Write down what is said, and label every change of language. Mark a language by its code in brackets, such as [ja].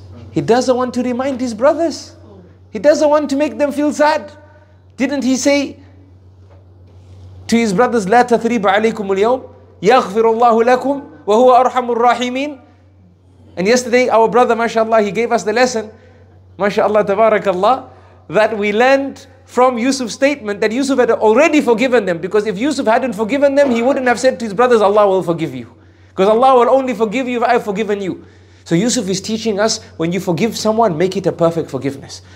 [en] He doesn't want to remind his brothers. He doesn't want to make them feel sad. Didn't he say to his brothers, [ar] لا تثريب عليكم اليوم يغفر الله لكم وهو أرحم الراحمين. [en] And yesterday, our brother, mashallah, he gave us the lesson, mashallah, tabarakallah, that we learned from Yusuf's statement that Yusuf had already forgiven them. Because if Yusuf hadn't forgiven them, he wouldn't have said to his brothers, Allah will forgive you. Because Allah will only forgive you if I have forgiven you. So Yusuf is teaching us, when you forgive someone, make it a perfect forgiveness.